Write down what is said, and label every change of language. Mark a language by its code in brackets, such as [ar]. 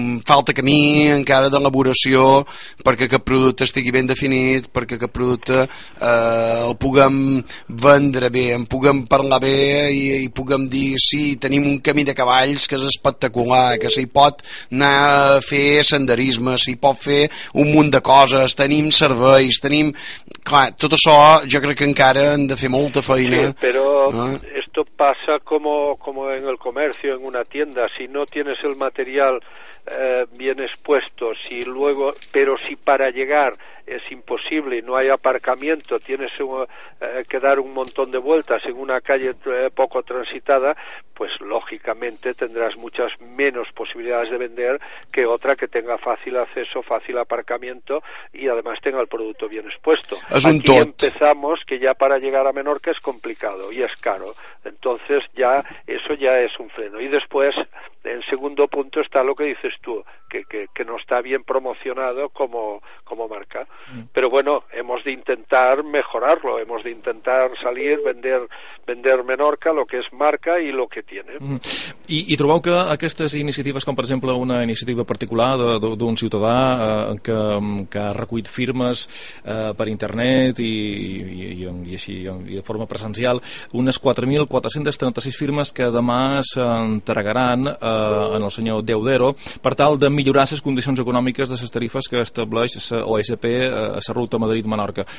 [ca] falta camí encara d'elaboració perquè aquest producte estigui ben definit, perquè aquest producte el puguem vendre bé, en puguem parlar bé, i puguem dir, sí, tenim un camí de cavalls que és espectacular, que s'hi pot anar a fer senderisme, s'hi pot fer un munt de coses, tenim serveis, tenim, clar, tot això jo crec que encara hem de fer molta feina. [es] Sí, però esto pasa como en el comercio, en una tienda, si no tienes el material bien expuesto, si luego, pero si para llegar es imposible y no hay aparcamiento, tienes que dar un montón de vueltas en una calle poco transitada, pues lógicamente tendrás muchas menos posibilidades de vender que otra que tenga fácil acceso, fácil aparcamiento y además tenga el producto bien expuesto. [ca] Es aquí un tot. [es] Empezamos que ya para llegar a Menorca es complicado y es caro, entonces ya eso ya es un freno. Y después, en segundo punto, está lo que dices tú, que no está bien promocionado como marca. Pero bueno, hemos de intentar mejorarlo, hemos de intentar salir, vender Menorca, lo que es marca y lo que tiene. [ca] I trobeu que aquestes iniciatives, com per exemple una iniciativa particular d'un ciutadà que ha recollit firmes per internet i així i de forma presencial, unes 4.436 firmes que demà s'entregaran en el senyor Deudero per tal de millorar les condicions econòmiques de les tarifes que estableix l'OSP a la ruta Madrid-Menorca.